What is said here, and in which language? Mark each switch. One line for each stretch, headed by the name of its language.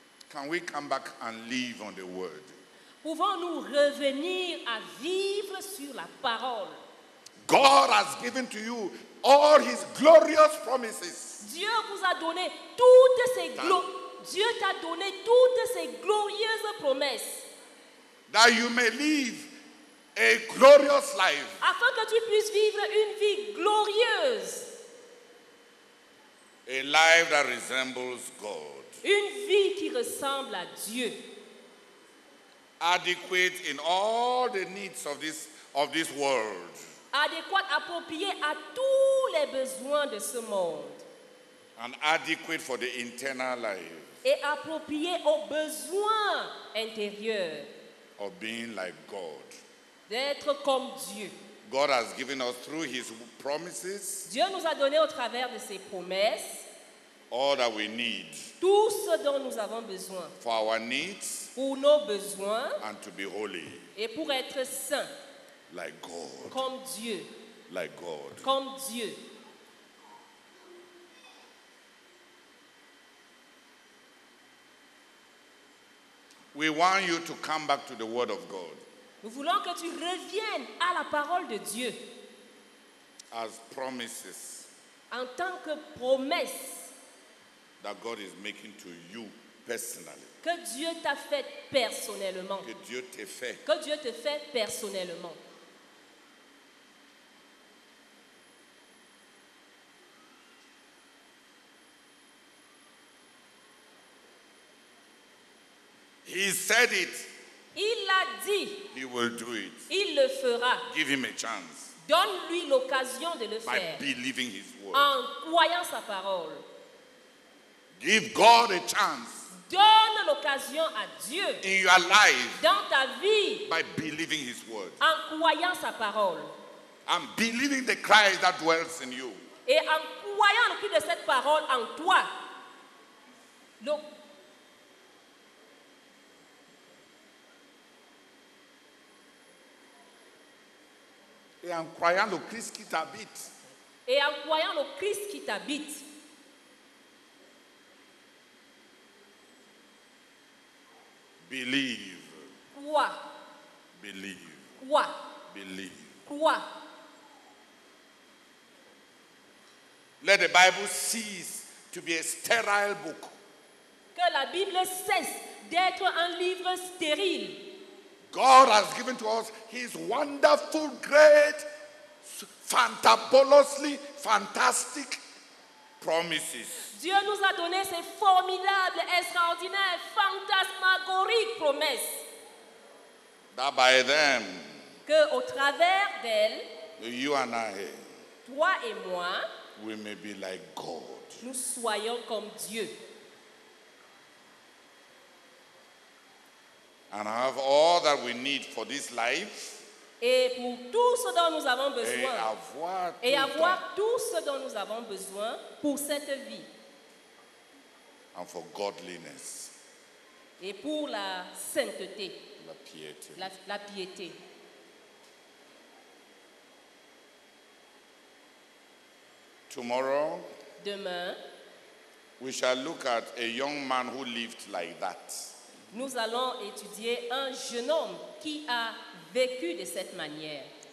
English: Can we come back and live on the word?
French: Pouvons-nous revenir à vivre sur la parole?
English: God has given to you all his glorious promises.
French: Dieu vous a donné toutes ses Dieu t'a donné toutes ses glorieuses promesses.
English: That you may live a glorious life.
French: Afin que tu puisses vivre une vie glorieuse.
English: A life that resembles God.
French: Une vie qui ressemble à Dieu.
English: Adequate in all the needs of this world.
French: Adéquate, appropriée à tous les besoins de ce monde.
English: And adequate for the internal life.
French: Et appropriée aux besoins intérieurs.
English: Of being like God.
French: D'être comme Dieu.
English: God has given us through his promises.
French: Dieu nous a donné au travers de ses promesses.
English: All that we need.
French: Tout ce dont nous avons besoin.
English: For our needs.
French: Pour nos besoins.
English: And to be holy.
French: Et pour être saint.
English: Like God.
French: Comme Dieu.
English: Like God.
French: Comme Dieu.
English: We want you to come back to the word of God.
French: Nous voulons que tu reviennes à la parole de Dieu.
English: As promises.
French: En tant que promesses.
English: That God is making to you personally.
French: Que Dieu t'a fait personnellement. Que Dieu t'a fait. Que Dieu te fait personnellement.
English: He said it.
French: Il l'a dit.
English: He will do it.
French: Il le fera.
English: Give him a chance.
French: Donne-lui l'occasion de le
English: by
French: faire.
English: By believing his word.
French: En croyant sa parole.
English: Give God a chance.
French: Donne l'occasion à Dieu.
English: In your life.
French: Dans ta vie.
English: By believing his word.
French: En croyant sa parole.
English: And believing the Christ that dwells in you.
French: Et en croyant le Christ de cette parole en toi. Et en croyant le Christ qui t'habite. Et en croyant le Christ qui t'habite.
English: Believe.
French: Quoi?
English: Believe.
French: Quoi?
English: Believe.
French: Quoi?
English: Let the Bible cease to be a sterile book.
French: Que la Bible cesse d'être un livre stérile.
English: God has given to us his wonderful, great, fantabulously fantastic promises.
French: Dieu nous a donné ses formidables, extraordinaires, fantasmagoriques promesses.
English: That by them,
French: que au travers d'elles,
English: you and I,
French: toi et moi,
English: we may be like God.
French: Nous soyons comme Dieu.
English: And have all that we need for this life.
French: Et pour tout ce dont nous avons besoin. Et avoir, tout, et avoir tout ce dont nous avons besoin pour cette vie.
English: And for godliness.
French: Et pour la sainteté. La piété. La piété.
English: Tomorrow.
French: Demain.
English: We shall look at a young man who lived like that.
French: Nous allons étudier un jeune homme qui a vécu de cette manière.